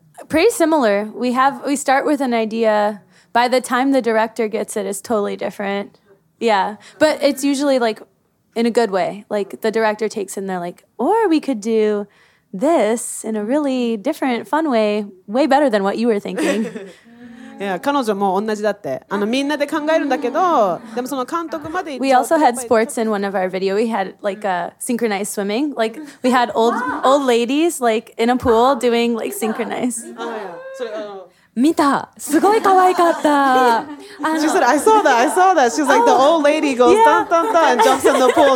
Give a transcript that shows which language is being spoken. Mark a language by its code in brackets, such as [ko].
[en] Pretty similar. We start with an idea... By the time the director gets it, it's totally different. Yeah. But it's usually like in a good way. Like the director takes it and they're like, or we could do this in a really different, fun way, way better than what you were thinking. [ja] Yeah, 彼女も同じだって。みんなで考えるんだけど、でもその監督まで。 [en] We also had sports in one of our videos. We had like a synchronized swimming. Like we had old ladies like in a pool doing like synchronized. Oh, yeah. [ja] 見た。すごい可愛かった。 [en] She said, I saw that, I saw that. She's like, the old lady goes, yeah. Dun, dun, dun, and jumps in the pool.